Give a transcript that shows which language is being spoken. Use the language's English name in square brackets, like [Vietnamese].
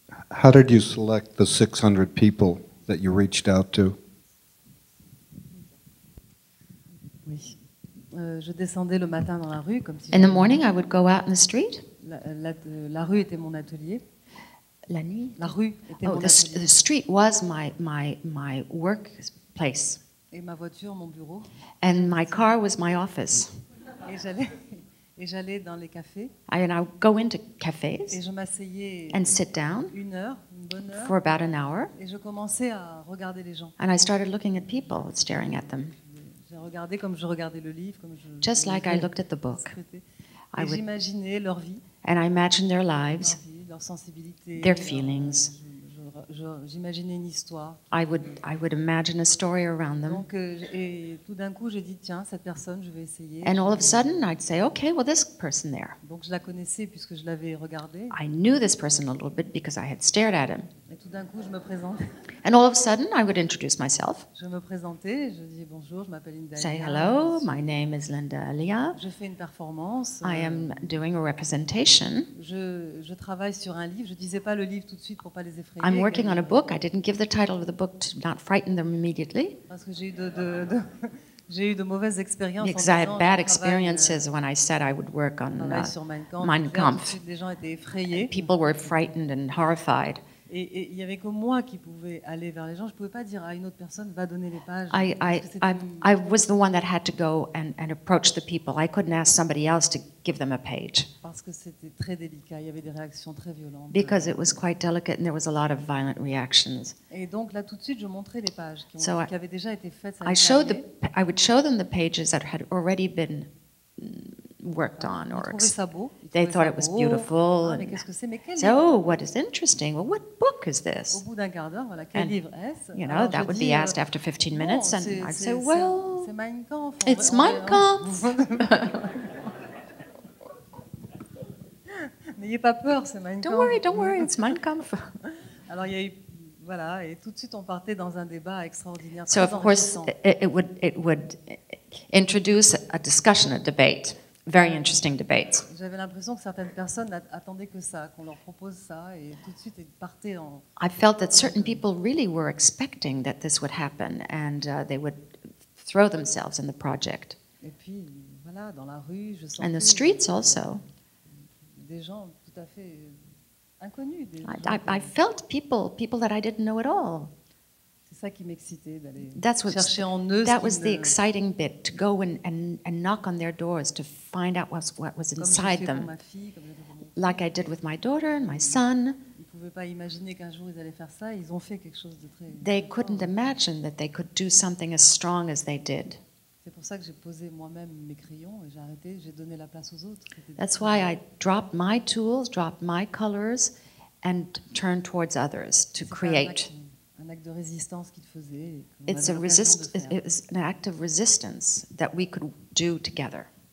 [English] How did you select the 600 people that you reached out to? [French] Oui. Je descendais le matin dans la rue comme si [English] in the morning I would go out in the street. [French] La rue était mon atelier. La nuit, la rue était mon atelier. [English] The street was my workplace. [French] Et ma voiture mon bureau. [English] And my car was my office. [French] Et j'allais dans les cafés. [English] And I would go into cafes. [French] Et je m'asseyais. [English] And sit down. [French] Une heure, une bonne heure. [English] For about an hour. [French] Et je commençais à regarder les gens. [English] And I started looking at people, staring at them. [French] J'ai regardé comme je regardais le livre, comme je. [English] Just like I looked at the book. [French] Et j'imaginais leur vie. [English] And I imagined their lives. [French] Leur sensibilité. [English] Their feelings. [French] J'imaginais une histoire. [English] I would imagine a story around them. [French] Donc, et tout d'un coup, je dis tiens, cette personne, je vais essayer. [English] And all of a sudden, I'd say, okay, well, this person there. [French] Donc, je la connaissais puisque je l'avais regardée. [English] I knew this person a little bit because I had stared at him. [French] Et tout d'un coup, je me présente. [English] And all of a sudden, I would introduce myself. [French] Je me présentais, je dis bonjour, je m'appelle Linda. [English] Say hello, my name is Linda Ellia. [French] Je fais une performance. [English] I am doing a representation. [French] Je travaille sur un livre. Je disais pas le livre tout de suite pour pas les effrayer. [English] I'm working on a book. I didn't give the title of the book to not frighten them immediately. [French] Parce que j'ai eu de mauvaises expériences. [English] Because I had bad experiences when I said I would work on [French] Mein Kampf. Les gens étaient effrayés. [English] People were frightened and horrified. [French] Et il y avait que moi qui pouvais aller vers les gens. Je pouvais pas dire à une autre personne va donner les pages. [English] I was the one that had to go and approach the people. I couldn't ask somebody else to give them a page. [French] Parce que c'était très délicat. Il y avait des réactions très violentes. [English] Because it was quite delicate and there was a lot of violent reactions. [French] Et donc là tout de suite je montrais les pages qui avaient déjà été faites. [English] I would show them the pages that had already been worked on or they thought it was beautiful and so what is interesting well what book is this [French] au bout d'un quart d'heure, voilà, quel livre est-ce? [English] You know that would be asked after 15 minutes [French] bon, [English] and [French] c'est, [English] I'd say well [French] c'est Mein Kampf. [English] It's Mein Kampf. [French] N'ayez pas peur, c'est Mein Kampf. [English] Don't worry it's Mein Kampf. [French] Alors il y a eu voilà et tout de suite on partait dans un débat extraordinaire. [English] So of course it would introduce a discussion, a debate. Very interesting debates. [French] J'avais l'impression que certaines personnes attendaient que ça, qu'on leur propose ça, et tout de suite ils partaient en. [English] I felt that certain people really were expecting that this would happen, and they would throw themselves in the project. [French] Et puis voilà, dans la rue, je sentais. [English] And the streets also. [French] Des gens tout à fait inconnus. [English] I felt people that I didn't know at all. [French] C'est ça qui m'excitait d'aller chercher en eux. [English] That was the exciting bit to go and knock on their doors to find out what was inside them. [French] Comme ma fille, comme [English] like I did with my daughter and my son. [French] Ils pouvaient pas imaginer qu'un jour ils allaient faire ça. Ils ont fait quelque chose de très. [English] They couldn't imagine that they could do something as strong as they did. [French] C'est pour ça que j'ai posé moi-même mes crayons et j'ai arrêté. J'ai donné la place aux autres. [English] That's why I dropped my tools, dropped my colors, and turned towards others to create. [French] Un acte de résistance qu'il faisait. [English] It's a it was an act of resistance that we could do together.